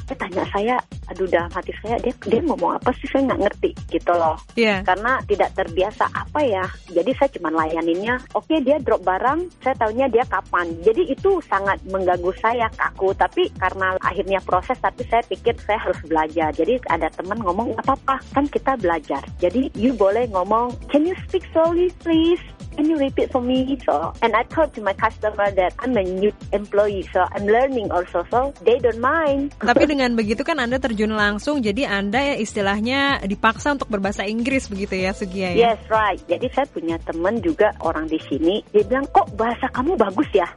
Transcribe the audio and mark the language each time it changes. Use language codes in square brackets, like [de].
[id] Dia tanya saya, aduh dalam hati saya, dia ngomong apa sih, saya gak ngerti gitu loh. [en] Yeah. [id] Karena tidak terbiasa apa ya. Jadi saya cuma layaninnya, okay, dia drop barang, saya taunya dia kapan. Jadi itu sangat mengganggu saya, kaku. Tapi karena akhirnya proses, tapi saya pikir saya harus belajar. Jadi ada teman ngomong, gak apa-apa, kan kita belajar. Jadi you boleh ngomong, [en] can you speak slowly please? Can you repeat for me? So, and I told to my customer that I'm a new employee, so I'm learning also, so they don't mind. [id] Tapi dengan begitu kan Anda terjun langsung, jadi Anda ya istilahnya dipaksa untuk berbahasa Inggris begitu ya Sugiya ya? [en] Yes, right. [id] Jadi saya punya teman juga orang di sini, dia bilang, kok bahasa kamu bagus ya?